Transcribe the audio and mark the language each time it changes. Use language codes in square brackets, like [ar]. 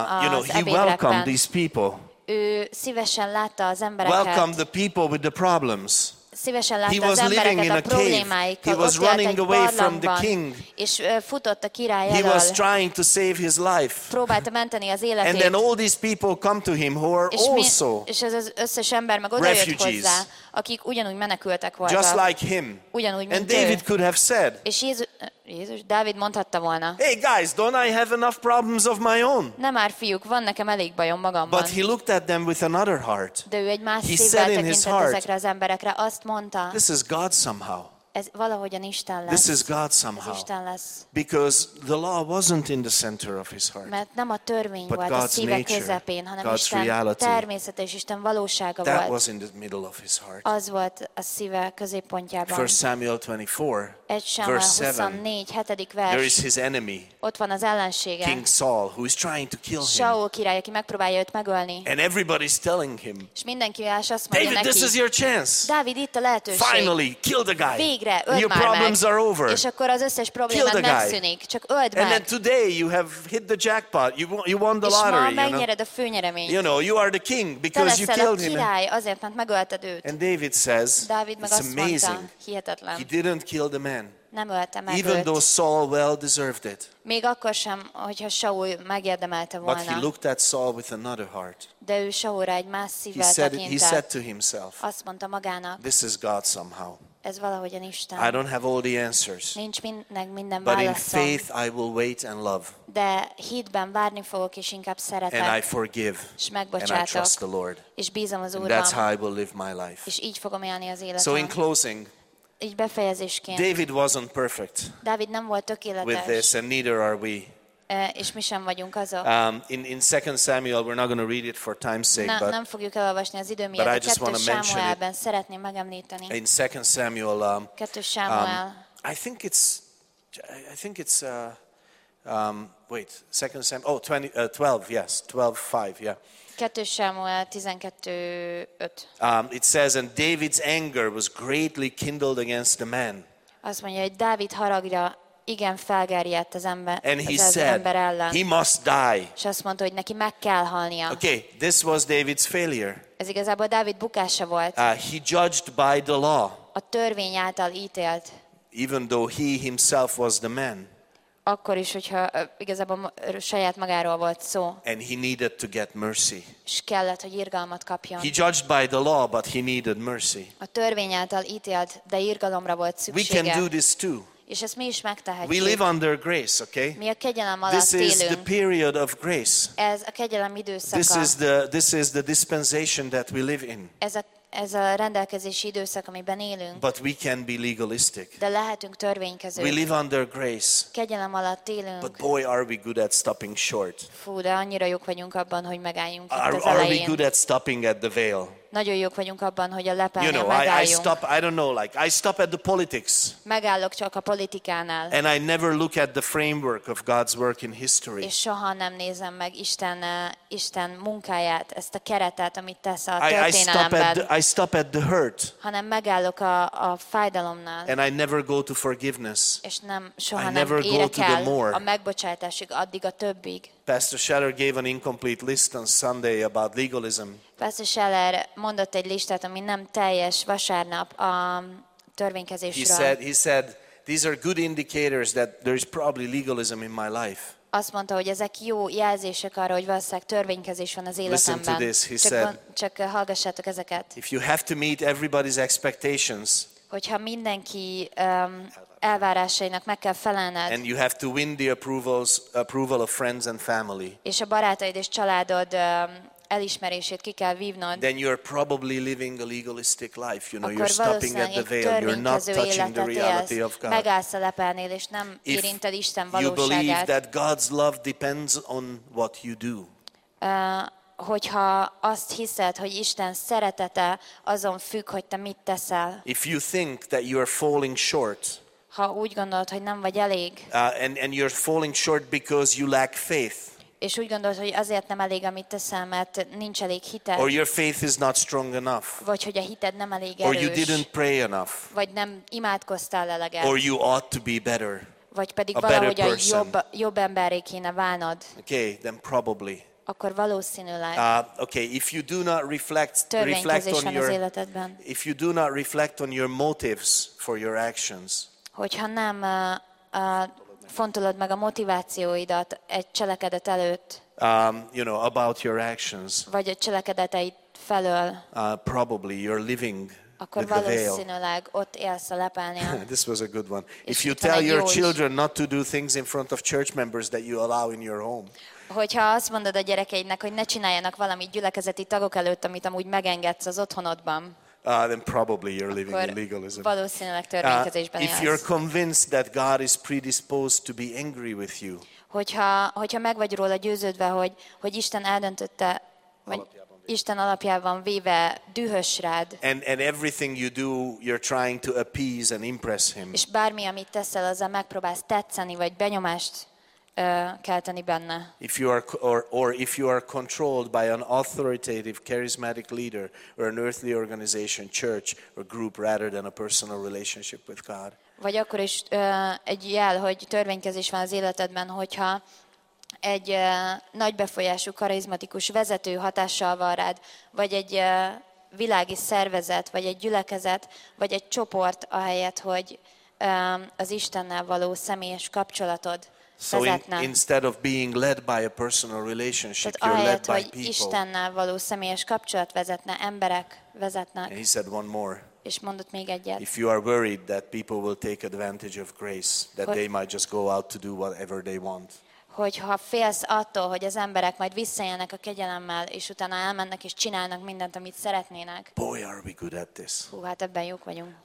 [en] you know, he welcomed these people. [hu] Ő szívesen látta az embereket. [en] Welcomed the people with the problems. [hu] Szívesen látta az embereket a problémáikkal. [en] He was running away from the king. [hu] És futott a király elől. [en] He was trying to save his life. [hu] Próbálta menteni az életét. [en] And then all these people come to him who are also refugees. [hu] És az összes ember meg odajött hozzá, akik ugyanúgy menekültek voltak. [en] Just like him. [hu] Ugyanúgy, mint [en] ő. And David could have said. [hu] És Jézus, Dávid mondhatta volna. [en] Hey guys, don't I have enough problems of my own? [hu] Nem már fiúk, van nekem elég bajom magammal. [en] But he looked at them with another heart. [hu] De ő egy más szívvel tekintett ezekre az emberekre, azt mondta. [en] This is God somehow. [hu] Ez valahogyan Isten lesz. [en] This is God somehow. [hu] Ez Isten lesz. [en] Because the law wasn't in the center of his heart. [hu] Mert nem a törvény [en] but [hu] volt [en] God's [hu] a szíve közepén, hanem [en] God's [hu] Isten [en] reality. [hu] Természete és Isten valósága [en] that [hu] volt. [en] Was in the middle of his heart. [hu] Az volt a szíve középpontjában. [en] 1 Samuel 24. Verse 7. There is his enemy. [hu] Ott van az ellensége. [en] King Saul, who is trying to kill him. [hu] Saul király, aki megpróbálja őt megölni. [en] And everybody's telling him. [hu] És mindenki azt mondja [en] David, [hu] neki. [en] This is your chance. [hu] Dávid, itt a lehetőség. [en] Finally, kill the guy. [hu] Végre, öld már. [en] Your problems [hu] meg. [en] Are over. [hu] És akkor az összes problémád megszűnik. Csak öld [en] and [hu] meg. [en] And then today you have hit the jackpot. You won the lottery. [hu] És ma megnyered a főnyereményt. [en] You know, you are the king because you killed him. [hu] Te leszel a király, azért, mert megölted őt. [en] And David says, [hu] Dávid [en] it's amazing. [hu] Hihetetlen. [en] He didn't kill the man. [hu] Nem ölte meg [en] even [hu] őt. [en] Though Saul well deserved it. [hu] Még akkor sem, hogyha Saul megérdemelte volna. [en] But he looked at Saul with another heart. [hu] De ő Saulra egy más szívvel [en] tekintett. He said to himself. [hu] Azt mondta magának. [en] This is God somehow. [hu] Ez valahogyan Isten. [en] I don't have all the answers. [hu] Nincs mindnek minden [en] but [hu] válaszom. [en] But in faith I will wait and love. [hu] De hitben várni fogok és inkább szeretek. [en] And I forgive. [hu] És megbocsátok. [en] And I trust the Lord. [hu] És bízom az Úrban. [en] That's how I will live my life. [hu] És így fogom élni az életem. [en] So in closing. [hu] Így befejezésként. [en] David wasn't perfect. [hu] Dávid nem volt tökéletes. [en] With this, and neither are we. [hu] És mi sem vagyunk azok. [en] In 2 Samuel, we're not going to read it for time's sake, but. [hu] Nem fogjuk elolvasni az idő miatt. [en] But I just want to mention it. [hu] Szeretném megemlíteni. [en] In 2 Samuel. [hu] 2 Samuel. [en] Wait, 2 Samuel. Oh, 12. Yes, 12:5. Yeah. [hu] 2 Samuel 12:5. [en] It says, and David's anger was greatly kindled against the man. [hu] Azt mondja, hogy Dávid haragja igen felgerjedt az ember. [en] And he said, he must die. [hu] És azt mondta, hogy neki meg kell halnia. [en] Okay, this was David's failure. [hu] Ez igazából Dávid bukása volt. [en] He judged by the law. [hu] A törvény által ítélt. [en] Even though he himself was the man. [hu] Akkor is, hogyha igazából saját magáról volt szó. [en] And he needed to get mercy. [hu] És kellett, hogy irgalmat kapjon. [en] He judged by the law, but he needed mercy. [hu] A törvény által ítélt, de irgalomra volt szüksége. [en] We can do this too. [hu] És ezt mi is megtehetjük. [en] We live under grace, okay? [hu] Mi a kegyelem alatt élünk. [en] This is the period of grace. [hu] Ez a kegyelem időszaka. [en] This is the dispensation that we live in. [hu] Ez a rendelkezési időszak, amiben élünk. [en] But we can be legalistic. [hu] De lehetünk törvénykezők. [en] We live under grace. [hu] Kegyelem alatt élünk. [en] But boy, are we good at stopping short. [hu] Fú, de annyira jók vagyunk abban, hogy megálljunk itt az elején. [en] Are we good at stopping at the veil? [hu] Nagyon jók vagyunk abban, hogy a lepelnél [en] you know, [hu] megálljunk. [en] I stop at the politics. [hu] Megállok csak a politikánál. [en] And I never look at the framework of God's work in history. [hu] És soha nem nézem meg Isten munkáját, ezt a keretet, amit tesz a történelemben. [en] I stop at the hurt. [hu] Hanem megállok a fájdalomnál. [en] And I never go to forgiveness. [hu] És nem soha nem érek el a megbocsátásig, addig a többig. [en] Pastor Scheller gave an incomplete list on Sunday about legalism. [hu] Pastor Scheller mondott egy listát, ami nem teljes vasárnap a törvénykezésről. [en] He said, these are good indicators that there is probably legalism in my life. [hu] Azt mondta, hogy ezek jó jelzések arra, hogy valószínűleg törvénykezés van az életemben. [en] Listen to this, he said. [hu] Csak hallgassátok ezeket. [en] If you have to meet everybody's expectations, [hu] hogyha mindenki elvárásainak meg kell felelned. [en] And you have to win the approval of friends and family. [hu] És a barátaid és családod elismerését ki kell vívnod. [en] Then you are probably living a legalistic life, you know, you're stopping at the veil, you're not touching the reality of God. [hu] Megállsz a lepelnél, és nem érinted Isten valóságát. [en] If you believe that God's love depends on what you do. [hu] Hogyha azt hiszed, hogy Isten szeretete azon függ, hogy te mit teszel. [en] If you think that you are falling short. [hu] Ha úgy gondolod, hogy nem vagy elég. [en] And you're falling short because you lack faith. [hu] És úgy gondolod, hogy azért nem elég, amit teszel, mert nincs elég hited. [en] Or your faith is not strong enough. [hu] Vagy hogy a hited nem elég [en] erős. Or you didn't pray enough. [hu] Vagy nem imádkoztál eleget. [en] Or you ought to be better. [hu] Vagy pedig valahogy a jobb emberré kéne válnod. [en] Okay, then probably. [hu] Akkor valószínűleg. [en] Okay, if you do not reflect on your [hu] életedben. [en] If you do not reflect on your motives for your actions. [hu] Hogyha nem fontolod meg a motivációidat egy cselekedet előtt. [en] You know, about your actions. [hu] Vagy a cselekedeteid felől. [en] Probably you're living [hu] akkor [en] with the veil. [hu] Akkor valószínűleg ott élsz a lepelnél. [en] This was a good one. If you tell your children not to do things in front of church members that you allow in your home. [hu] Hogyha azt mondod a gyerekeidnek, hogy ne csináljanak valamit gyülekezeti tagok előtt, amit amúgy megengedsz az otthonodban. [en] Then probably you're living in legalism. [hu] Valószínűleg törvénykezésben [en] élsz. If you're convinced that God is predisposed to be angry with you. [hu] Hogyha meg vagy róla győződve, hogy Isten eldöntötte, vagy Isten alapjában véve dühös rád. [en] And everything you do, you're trying to appease and impress him. [hu] És bármi, amit teszel, azzal megpróbálsz tetszeni vagy benyomást kelteni benne. [en] If you are or if you are controlled by an authoritative charismatic leader or an earthly organization, church or group rather than a personal relationship with God. [hu] Vagy akkor is egy jel, hogy törvénykezés van az életedben, hogyha egy nagy befolyású karizmatikus vezető hatással van rád, vagy egy világi szervezet, vagy egy gyülekezet, vagy egy csoport ahelyett, hogy az Istennel való személyes kapcsolatod. [en] So instead of being led by a personal relationship, [hu] tehát [en] you're led by people. [hu] Istennel való személyes kapcsolat vezetne, emberek vezetnek. [en] And he said one more. [hu] És mondott még egyet. [en] If you are worried that people will take advantage of grace, that they might just go out to do whatever they want. [hu] Hogyha félsz attól, hogy az emberek majd visszajönnek a kegyelemmel, és utána elmennek és csinálnak mindent, amit szeretnének. [en] Boy, are we good at this. [hu] Hú, hát ebben jók vagyunk.